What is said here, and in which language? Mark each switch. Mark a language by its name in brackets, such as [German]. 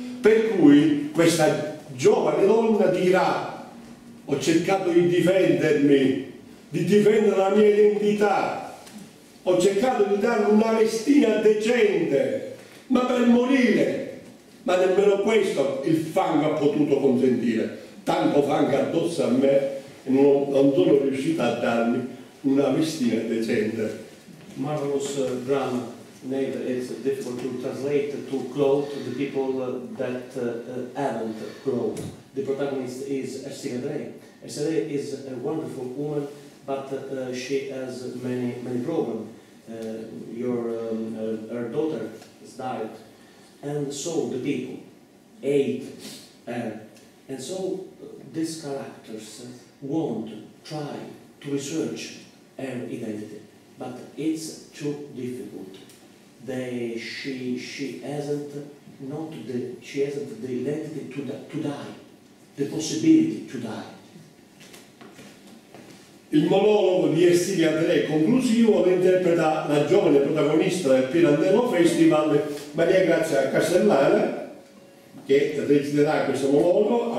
[Italian] Per cui questa giovane donna dirà, ho cercato di difendermi, di difendere la mia identità, ho cercato di dare una vestina decente, ma per morire, ma nemmeno questo il fango ha potuto consentire, tanto fango addosso a me, non sono riuscito a darmi una vestina decente. [English] Marvelous drama, neither it's difficult to translate, to clothe the people that haven't clothed. The protagonist is Ersilia Drei. Ersilia Drei is a wonderful woman, but she has many problems. Her daughter has died, and so the people hate her, and so these characters want to try to research her identity, but it's too difficult. She hasn't the identity to die, the possibility to die. [Italian] Il monologo di Ersilia Drei conclusivo lo interpreta la giovane protagonista del Pirandello Festival, Maria Grazia Castellana, che reciterà questo monologo.